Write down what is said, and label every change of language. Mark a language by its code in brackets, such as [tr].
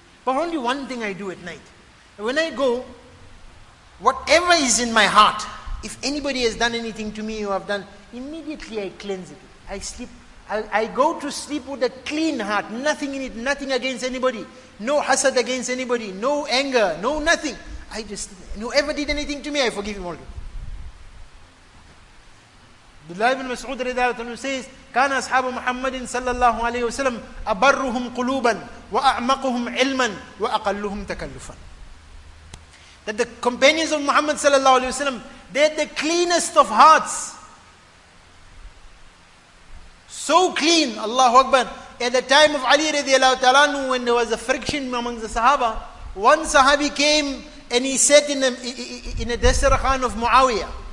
[en] But only one thing I do at night. When I go, whatever is in my heart, if anybody has done anything to me or I've done, immediately I cleanse it. I sleep. I go to sleep with a clean heart. Nothing in it. Nothing against anybody. No hasad against anybody. No anger. No nothing. I just, whoever did anything to me, I forgive him all. [ar] Abdullah ibn Mas'ud radiallahu anhu says, كان أصحاب محمد صلى الله عليه وسلم أبرهم قلوبا وأعمقهم علما وأقلهم تكلفا. [en] That the companions of Muhammad صلى الله عليه وسلم, they had the cleanest of hearts. So clean, Allahu Akbar. At the time of Ali radiallahu ta'ala, when there was a friction among the Sahaba, one Sahabi came and he sat in a dasturkhan of Muawiyah.